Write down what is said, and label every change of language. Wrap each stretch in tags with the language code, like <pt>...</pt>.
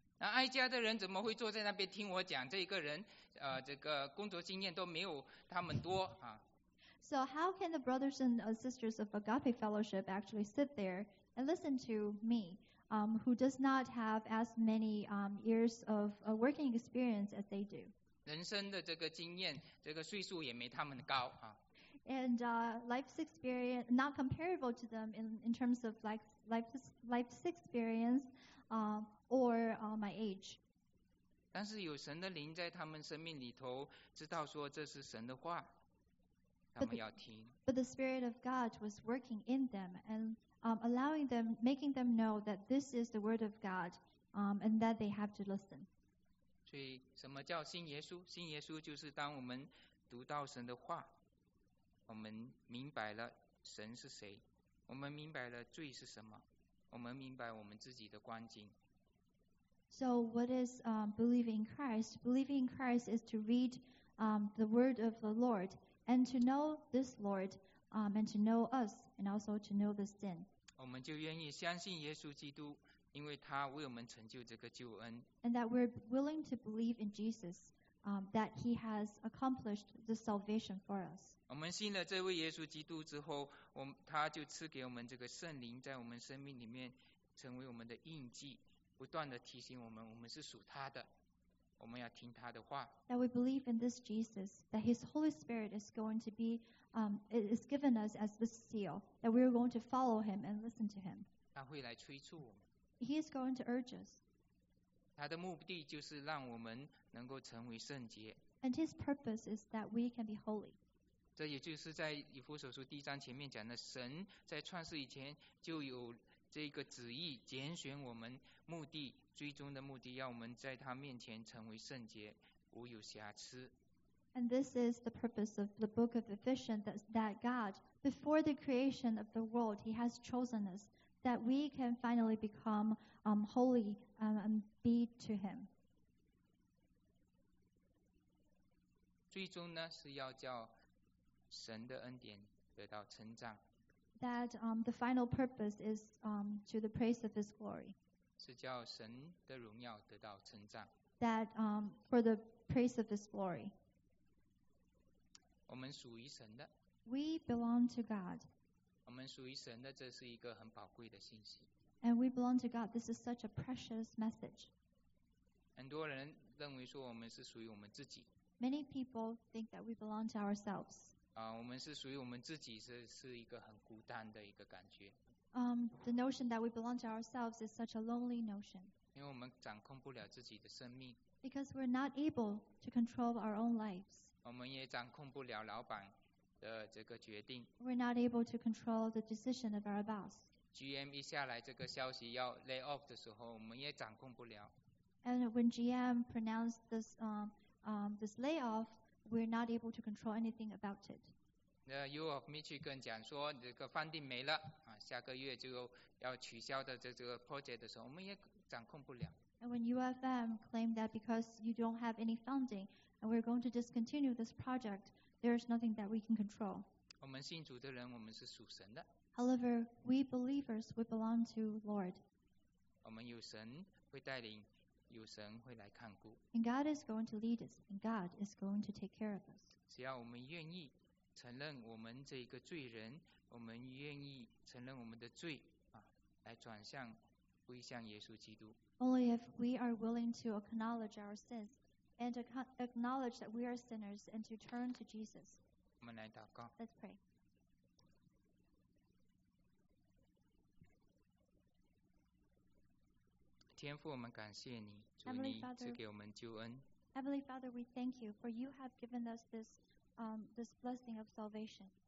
<zh>那哀家的人怎么会坐在那边听我讲？这一个人，这个工作经验都没有他们多啊。</zh> <en>So how can the brothers and sisters of Agape Fellowship actually sit there and listen to me, who does not have as many years of working experience as they do?</en> <zh>人生的这个经验，这个岁数也没他们高啊。</zh> <en>And life's experience not comparable to them in terms of life's experience, or my age.</en> <zh>但是有神的灵在他们生命里头，知道说这是神的话。</zh> <en>But the Spirit of God was working in them and allowing them, making them know that this is the Word of God and that they have to listen.</en> <zh>所以什么叫信耶稣？信耶稣就是当我们读到神的话，我们明白了神是谁，我们明白了罪是什么，我们明白我们自己的光景。</zh> <en>So what is believing in Christ? Believing in Christ is to read the Word of the Lord. And to know this Lord, and to know us, and also to know the sin.</en> <zh>我们就愿意相信耶稣基督，因为他为我们成就这个救恩。</zh> <en>And that we're willing to believe in Jesus, that he has accomplished the salvation for us.</en> <zh>我们信了这位耶稣基督之后，他就赐给我们这个圣灵，在我们生命里面成为我们的印记，不断地提醒我们，我们是属他的。我们要听他的话。</zh> <en>That we believe in this Jesus, that His Holy Spirit is going to be, is given us as the seal, that we are going to follow Him and listen to Him.</en> <zh>他会来催促我们。</zh> <en>He is going to urge us.</en> <zh>他的目的就是让我们能够成为圣洁。</zh> <en>And His purpose is that we can be holy.</en> <zh>这也就是在以弗所书第一章前面讲的，神在创世以前就有这个旨意拣选我们，目的最终的目的要我们在他面前成为圣洁，无有瑕疵。</zh> <en>And this is the purpose of the book of Ephesians, that God, before the creation of the world, He has chosen us, that we can finally become holy and be to Him.</en> <zh>最终呢，是要叫神的恩典得到成长。</zh> <en>That the final purpose is to the praise of His glory.</en> <zh>是叫神的荣耀得到成长。</zh> <en>That for the praise of His glory.</en> <zh>我们属于神的。</zh> <en>We belong to God.</en> <zh>我们属于神的，这是一个很宝贵的信息。</zh> <en>And we belong to God. This is such a precious message.</en> <zh>很多人认为说我们是属于我们自己。</zh> <en>Many people think that we belong to ourselves.</en> <zh>我们是属于我们自己，是一个很孤单的一个感觉。</zh> <en>The notion that we belong to ourselves is such a lonely notion.</en> <zh>因为我们掌控不了自己的生命。</zh> <en>Because we're not able to control our own lives.</en> <zh>我们也掌控不了老板的这个决定。</zh> <en>We're not able to control the decision of our boss.</en> <zh>GM 一下来这个消息要 lay off 的时候，我们也掌控不了。</zh> <en>And when GM pronounced this, this layoff, we're not able to control anything about it.</en> <zh>The U of Michigan 讲说这个 funding 没了啊，下个月就要取消的这个 project 的时候，我们也掌控不了。</zh> <en>And when UFM claimed that because you don't have any funding and we're going to discontinue this project, there's nothing that we can control.</en> <zh>我们信主的人，我们是属神的。</zh> <en>However, we believers, we belong to Lord.</en> <zh>我们有神会带领。有神会来看顾。</zh> <en>And God is going to lead us, and God is going to take care of us.</en> <zh>只要我们愿意承认我们这个罪人，我们愿意承认我们的罪啊，来转向归向耶稣基督。</zh> <en>Only if we are willing to acknowledge our sins and acknowledge that we are sinners and to turn to Jesus.</en> <zh>我们来祷告。</zh> <en>Let's pray.</en> <zh>天父，我们感谢你，主你赐给我们救恩。</zh> <en>Heavenly Father, we thank you for you have given us this, this blessing of salvation.</en>